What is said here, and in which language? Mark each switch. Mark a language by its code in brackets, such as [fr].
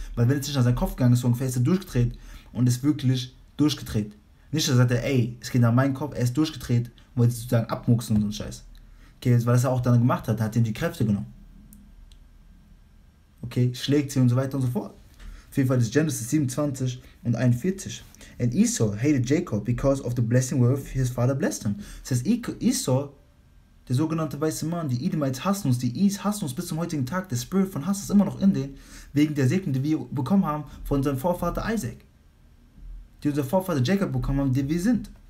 [de] Weil wenn es nicht nach seinem Kopf gegangen ist, so ungefähr, ist er durchgedreht und ist wirklich durchgedreht. Nicht, dass er sagte, ey, es geht nach meinem Kopf, er ist durchgedreht und wollte sozusagen abmucksen und so ein Scheiß. Okay, weil das er auch dann gemacht hat, hat ihm die Kräfte genommen. Okay, schlägt sie und so weiter und so fort. Auf jeden Fall ist Genesis 27 und 41. [en] And Esau hated Jacob because of the blessing wherewith his father blessed him. [de] Das heißt, Esau, der sogenannte weiße Mann, die Edomites hassen uns, die Is hassen uns bis zum heutigen Tag. Der Spirit von Hass ist immer noch in denen, wegen der Segnung, die wir bekommen haben von unserem Vorvater Isaac. Die unser Vorvater Jacob bekommen haben, die wir sind.